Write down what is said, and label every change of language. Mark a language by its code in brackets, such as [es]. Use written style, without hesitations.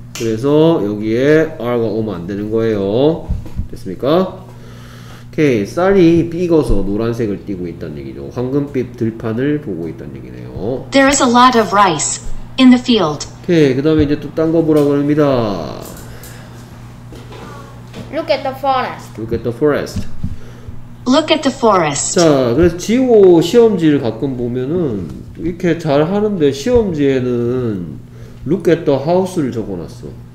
[ko] 그래서 여기에 r가 오면 안 되는 거예요. 됐습니까? 오케이. 쌀이 익어서 노란색을 띠고 있다는 얘기죠. 황금빛 들판을 보고 있다는 얘기네요. [en] There is a lot of rice in the field. [ko] 오케이. 그 다음에 이제 또 딴 거 보라고 합니다. [en] Look at the forest. Look at the forest. Look at the forest. [ko] 자, 그래서 GO 시험지를 가끔 보면은 이렇게 잘 하는데 시험지에는 [en] Look at the house [ko] 를 적어놨어.